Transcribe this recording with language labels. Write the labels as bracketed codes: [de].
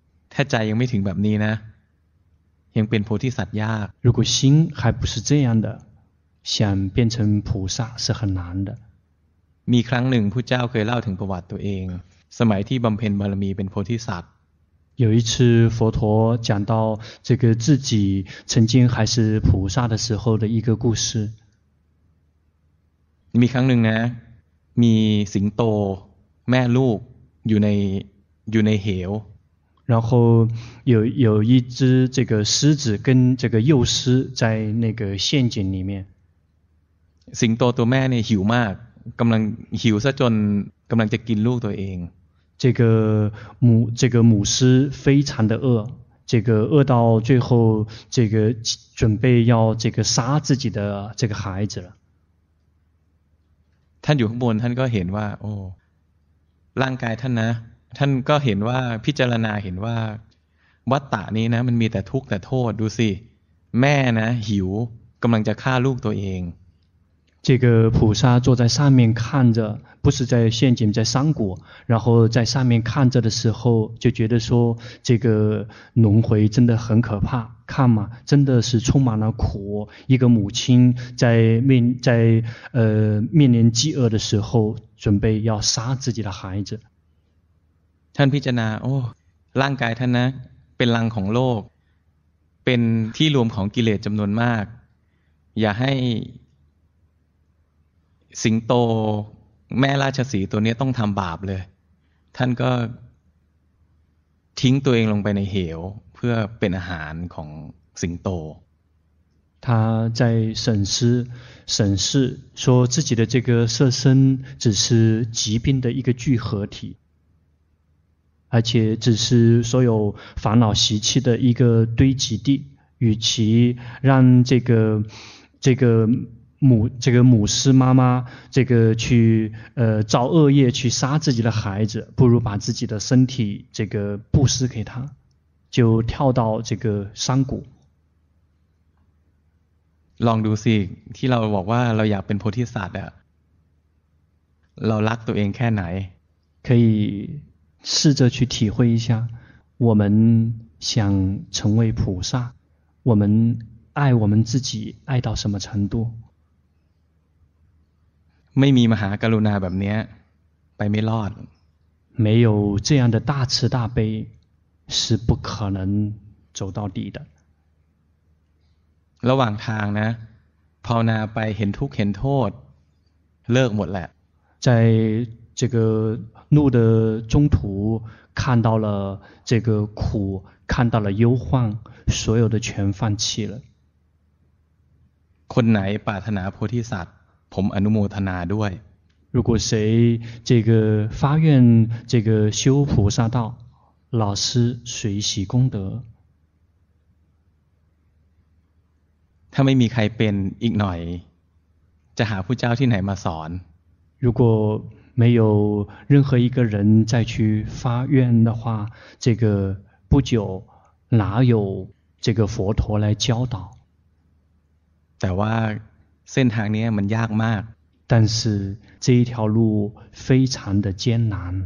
[th] ถ้าใจยังไม่ถึงแบบนี้นะยังเป็นโพธิสัตว์ยาก [zh] 如果心还不是这样的想变成菩萨是很难的 [th] มีครั้งหนึ่งพุทธเจ้าเคยเล่าถึงประวัติตัวเองสมัยที่บำเพ็ญบารมีเป็นโพธิสัตว์ [zh] 有一次佛陀讲到这个自己曾经还是菩萨的时候的一个故事。 [th] มีครั้งหนึ่งนะมีสิงโตแม่ลูกอยู่ในเหว [zh] 然后有一只这个狮子跟这个幼狮在那个陷阱里面。 [th] สิงโตตัวแม่เนี่ยหิวมากกำลังหิวซะจนกำลังจะกินลูกตัวเอง เจ้าหมู [zh] 狮非常的饿，这个饿到最后，这个准备要这个杀自己的这个孩子了。 [th] ท่านอยู่ข้างบนท่านก็เห็นว่าโอ้ร่างกายท่านนะท่านก็เห็นว่าพิจารณาเห็นว่าวัฏฏะนี้นะมันมีแต่ทุกข์แต่โทษดูสิแม่นะหิวกำลังจะฆ่าลูกตัวเอง [zh] 这个菩萨坐在上面看着，不是在陷阱，在山谷，然后在上面看着的时候，就觉得说这个轮回真的很可怕。看嘛，真的是充满了苦。一个母亲在面临饥饿的时候，准备要杀自己的孩子。 [th] ท่านพิจารณาโอ้ร่างกายท่านนะเป็นรังของโลกเป็นที่รวมของกิเลสจำนวนมากอย่าให้สิงโตแม่ราชสีตัวนี้ต้องทำบาปเลยท่านก็ทิ้งตัวเองลงไปในเหวเพื่อเป็นอาหารของสิงโต [zh] 他在审视审视说自己的这个色身只是疾病的一个聚合体而且只是所有烦恼习气的一个堆积地与其让这个母狮妈妈这个去造恶业去杀自己的孩子不如把自己的身体这个布施给他就跳到这个山谷 [th] ลองดูสิที่เราบอกว่าเราอยากเป็นโพธิสัตว์อะเรารักตัวเองแค่ไหน [zh] 可以试着去体会一下我们想成为菩萨我们爱我们自己爱到什么程度 [th] ไม่มีมหากรุณาแบบนี้ไปไม่รอด [zh] 没有这样的大慈大悲是不可能走到底的 [th] ระหว่างทางนะภาวนาไปเห็นทุกข์เห็นโทษเลิกหมดแหละ [zh] 在这个路的中途看到了这个苦看到了忧患所有的全放弃了 [th] คนไหนปรารถนาโพธิสัตว์ผมอนุโมทนาด้วย [zh] 如果谁这个发愿这个修菩萨道老师随喜功德 [th] ถ้าไม่มีใครเป็นอีกหน่อยจะหาผู้เจ้าที่ไหนมาสอน [zh] 如果没有任何一个人再去发愿的话这个不久哪有这个佛陀来教导 [th] แต่ว่าเส้นทางนี้มันยากมาก [zh] 但是这一条路非常的艰难